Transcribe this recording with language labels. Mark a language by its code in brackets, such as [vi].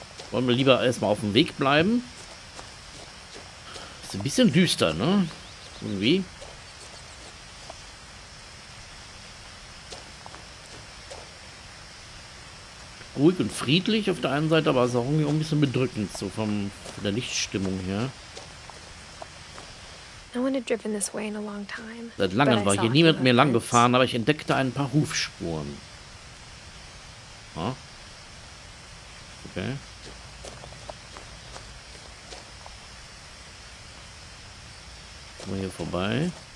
[de] Wollen wir lieber erstmal auf dem Weg bleiben? Ist ein bisschen düster, ne? Irgendwie. Ruhig und friedlich auf der einen Seite, aber es ist auch irgendwie ein bisschen bedrückend, so von der Lichtstimmung her. [en] No one had driven this way in a long time. [de] Seit langem war hier niemand mehr lang gefahren, aber ich entdeckte ein paar Hufspuren. Ja. Okay. Kommen wir hier vorbei.